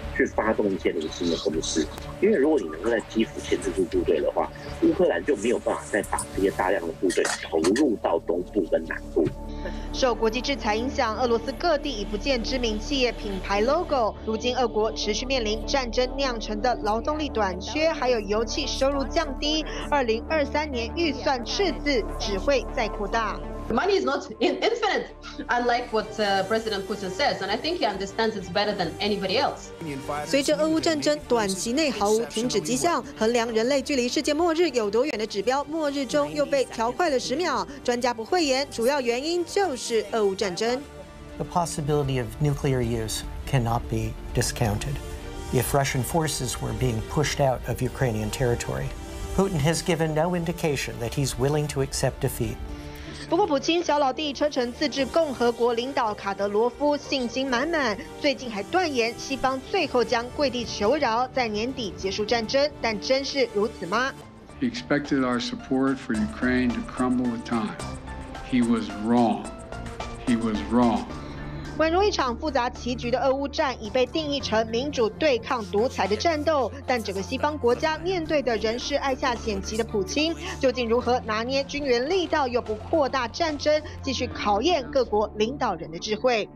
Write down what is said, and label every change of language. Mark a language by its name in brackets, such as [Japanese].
[Chinese] 去发动一些零星的攻势，因为如果你能够在基辅牵制住部队的话，乌克兰就没有办法再把这些大量的部队投入到东部跟南部。受国际制裁影响，俄罗斯各地已不见知名企业品牌 logo。如今俄国持续面临战争酿成的劳动力短缺，还有油气收入降低，2023年预算赤字只会再扩大。 [English] Money is not infinite, unlike what President Putin says, and I think he understands it's better than anybody else. [Chinese] 随着俄乌战争短期内毫无停止迹象，衡量人类距离世界末日有多远的指标，末日钟又被调快了10秒。专家不讳言，主要原因就是俄乌战争。 [English] The possibility of nuclear use cannot be discounted. If Russian forces were being pushed out of Ukrainian territory, Putin has given no indication that he's willing to accept defeat. [Chinese] 不过普京小老弟车臣自治共和国领导卡德罗夫信心满满，最近还断言西方最后将跪地求饶，在年底结束战争，但真是如此吗？ [English] He expected our support for Ukraine to crumble with time. He was wrong. He was wrong. [Chinese] 宛如一场复杂棋局的俄乌战已被定义成民主对抗独裁的战斗，但整个西方国家面对的仍是爱下险棋的普京，究竟如何拿捏军援力道又不扩大战争，继续考验各国领导人的智慧。